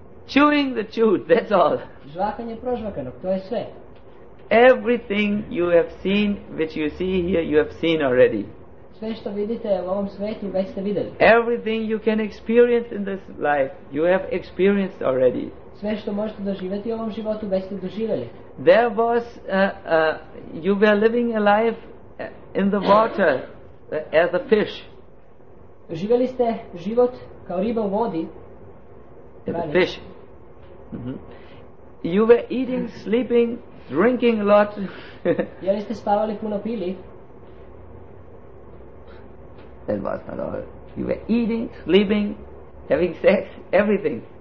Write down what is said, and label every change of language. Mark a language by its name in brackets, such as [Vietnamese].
[English] Chewing the chewed, that's all. [Serbian] Žvakanje prožvakanog, to je sve. [English] Everything you have seen, which you see here, you have seen already. [Serbian] Sve što vidite u ovom svetu, već ste videli. [English] Everything you can experience in this life, you have experienced already. [Serbian] Sve što možete doživjeti u ovom životu, već ste doživjeli. [English] There was, you were living a life in the water, as a fish. [Serbian] Živjeli ste život kao riba u vodi. [English] The fish. Mm-hmm. You were eating, sleeping, drinking a lot. [Serbian] Jeli ste spavali, puno pili? [English] That was not all. You were eating, sleeping, having sex, everything.